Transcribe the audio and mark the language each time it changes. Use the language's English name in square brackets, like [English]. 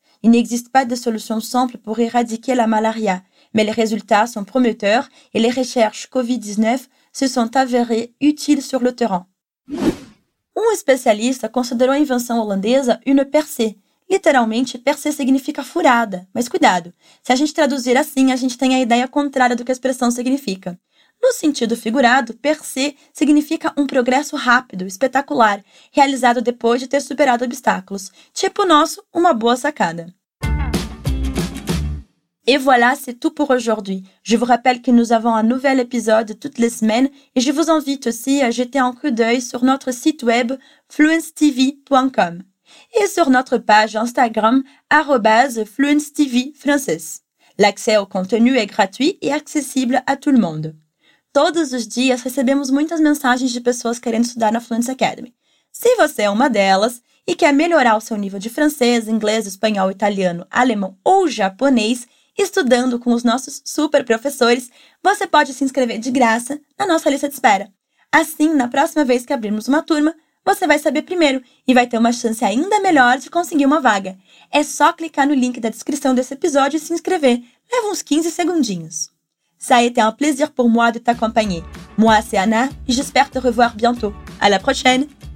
[French] Il n'existe pas de solution simple pour éradiquer la malaria, mais les résultats sont prometteurs et les recherches COVID-19 se sont avérées utiles sur le terrain. Un spécialiste considère l'invention hollandaise une percée. [Portuguese] Literalmente, percer significa furada, mas cuidado. Se a gente traduzir assim, a gente tem a ideia contrária do que a expressão significa. No sentido figurado, percer significa um progresso rápido, espetacular, realizado depois de ter superado obstáculos. Tipo o nosso, uma boa sacada. [French] Et voilà, c'est tout pour aujourd'hui. Je vous rappelle que nous avons un nouvel épisode toutes les semaines et je vous invite aussi à jeter un coup d'œil sur notre site web fluencetv.com et sur notre page Instagram @fluencetvfrançais. L'accès au contenu est gratuit et accessible à tout le monde. [Portuguese] Todos os dias recebemos muitas mensagens de pessoas querendo estudar na Fluence Academy. Se você é uma delas e quer melhorar o seu nível de francês, inglês, espanhol, italiano, alemão ou japonês, estudando com os nossos super professores, você pode se inscrever de graça na nossa lista de espera. Assim, na próxima vez que abrirmos uma turma, você vai saber primeiro e vai ter uma chance ainda melhor de conseguir uma vaga. É só clicar no link da descrição desse episódio e se inscrever. Leva uns 15 segundinhos. [French] Ça a été un plaisir pour moi de t'accompagner. Moi, c'est Anna et j'espère te revoir bientôt. À la prochaine!